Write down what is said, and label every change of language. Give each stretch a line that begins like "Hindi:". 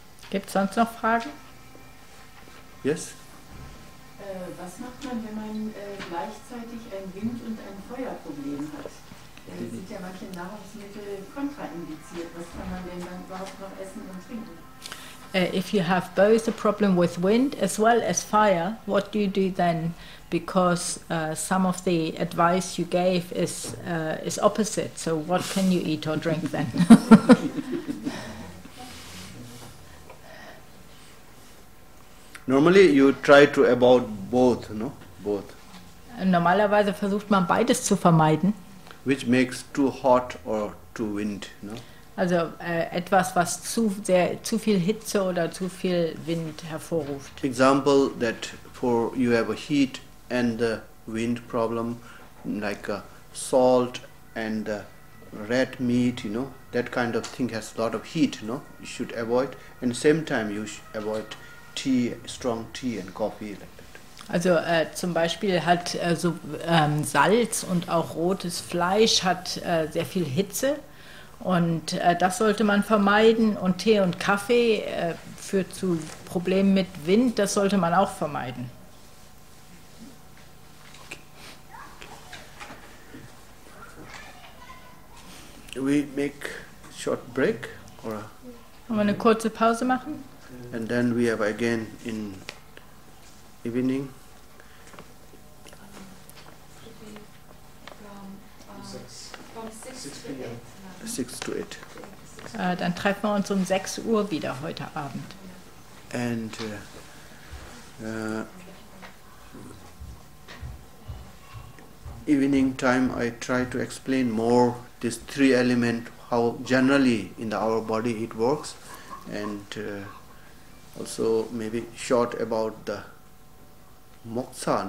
German: Gibt es sonst noch Fragen?
English: Yes?
German: Was macht man, wenn man gleichzeitig ein Wind- und ein Feuerproblem hat? Es sind ja manche Nahrungsmittel kontraindiziert. Was kann man denn dann überhaupt noch essen und trinken?
English: If you have both a problem with wind as well as fire, what do you do then? Because some of the advice you gave is opposite. So what can you eat or drink then? Normally, Normally you try to avoid both, no? Both.
German: Normalerweise versucht man beides zu vermeiden.
English: Which makes too hot or too wind, no?
German: Also etwas, was zu viel Hitze oder zu viel Wind hervorruft.
English: Example that for you have a heat and the wind problem, like salt and red meat, you know, that kind of thing has a lot of heat, you know, you should avoid. And same time you should avoid tea, strong tea and coffee like that.
German: Also zum Beispiel hat Salz und auch rotes Fleisch hat sehr viel Hitze. Und das sollte man vermeiden. Und Tee und Kaffee führt zu Problemen mit Wind. Das sollte man auch vermeiden.
English: We make short break or?
German: Wollen wir eine kurze Pause machen?
English: And then we have again in evening. Six to eight.
German: Dann treffen wir uns um 6 Uhr wieder heute Abend.
English: And evening time, I try to explain more these three elements, how generally in our body it works, and also maybe short about the moksha.